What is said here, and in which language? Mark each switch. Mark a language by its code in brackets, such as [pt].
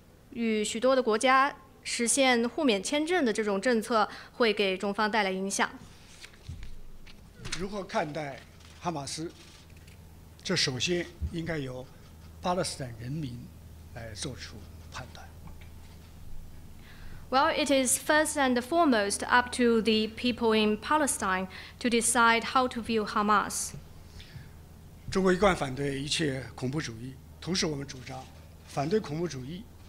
[zh] 与许多的国家实现互免签证的这种政策会给中方带来影响。如何看待哈马斯？这首先应该由巴勒斯坦人民来做出判断。Well, [en] it is first and foremost up to the people in Palestine to decide how to view Hamas. [zh] 中国一贯反对一切恐怖主义，同时我们主张反对恐怖主义